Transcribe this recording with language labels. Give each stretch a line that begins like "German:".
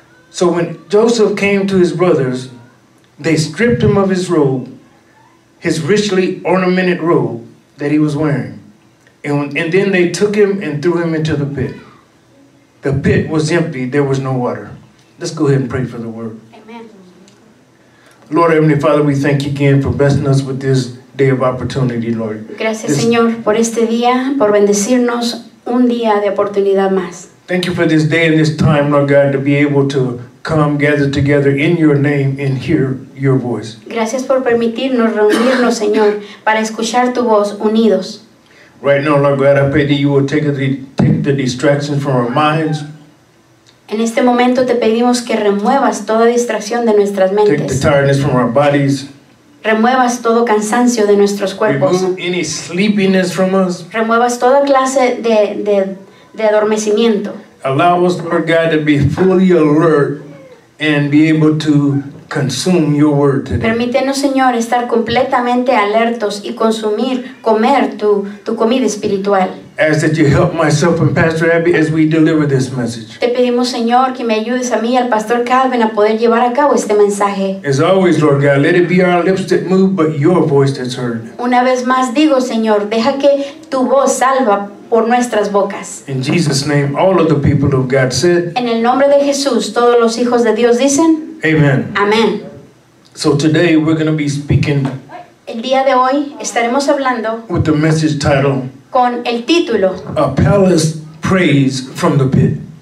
English: So when Joseph came to his brothers, they stripped him of his robe, his richly ornamented robe that he was wearing. And then they took him and threw him into the pit. The pit was empty. There was no water. Let's go ahead and pray for the word. Amen. Lord, Heavenly Father, we thank you again for blessing us with this day of opportunity, Lord.
Spanish: Gracias, Señor, por este día, por bendecirnos un día de oportunidad más.
English: Thank you for this day and this time, Lord God, to be able to come gather together in your name and hear your voice.
Spanish: Gracias por permitirnos reunirnos, Señor, para escuchar tu voz unidos.
English: Right now, Lord God, I pray that you will take the distractions from our minds.
Spanish: En este momento te pedimos que remuevas toda distracción de nuestras mentes.
English: Take the tiredness from our bodies.
Spanish: Remuevas todo cansancio de nuestros cuerpos.
English: Remove any sleepiness from us.
Spanish: Remuevas toda clase de adormecimiento.
English: Allow us, Lord God, to be fully alert and be able to consume your word today.
Spanish: Permítenos, Señor, estar completamente alertos y consumir, comer tu comida espiritual.
English: Ask that you help myself and Pastor Abby as we deliver this message.
Spanish: Te pedimos, Señor, que me ayudes a mí y al Pastor Calvin a poder llevar a cabo este mensaje.
English: As always, Lord God, let it be our lips that move, but your voice that's heard.
Spanish: Una vez más digo, Señor, deja que tu voz salva por nuestras bocas.
English: In Jesus' name, all of the people of God said.
Spanish: En el nombre de Jesús, todos los hijos de Dios dicen.
English: Amen. Amen. So today we're going to be speaking.
Spanish: El día de hoy estaremos hablando.
English: With the message title.
Spanish: Con el título.
English: A palace praise from the pit.